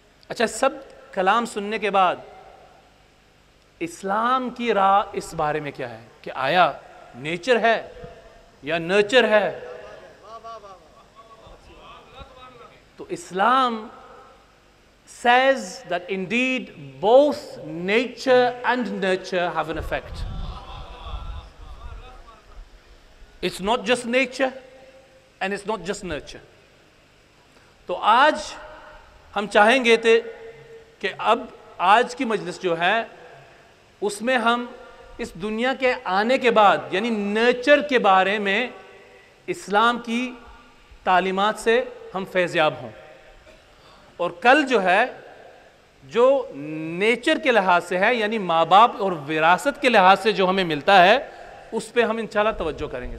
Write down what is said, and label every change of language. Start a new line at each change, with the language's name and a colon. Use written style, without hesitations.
Urdu: اچھا سب کلام سننے کے بعد اسلام کی راہ اس بارے میں کیا ہے کہ آیا نیچر ہے یا نرچر ہے؟ تو اسلام
English: says that indeed both nature and nurture have an effect. It's not just nature and it's not just nurture.
Urdu: تو آج ہم چاہیں گے تھے کہ اب آج کی مجلس جو ہے اس میں ہم اس دنیا کے آنے کے بعد یعنی نیچر کے بارے میں اسلام کی تعلیمات سے ہم فیضیاب ہوں, اور کل جو ہے جو نیچر کے لحاظ سے ہے یعنی ماں باپ اور وراثت کے لحاظ سے جو ہمیں ملتا ہے اس پہ ہم انشاءاللہ توجہ کریں گے.